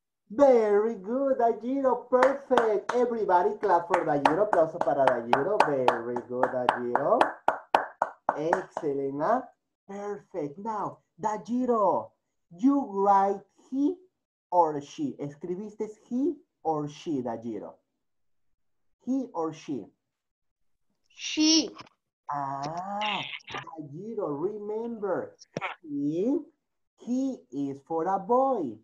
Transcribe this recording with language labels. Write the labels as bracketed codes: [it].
[en] Very good, Dajiro. Perfect. Everybody clap for Dajiro. [es] Aplauso para Dajiro. [en] Very good, Dajiro. Excellent. Huh? Perfect. Now, Dajiro, you write he or she. [es] ¿Escribiste [en] he or she, [es] Dajiro? [en] He or she? She. Ah, Dajiro, remember, he is for a boy.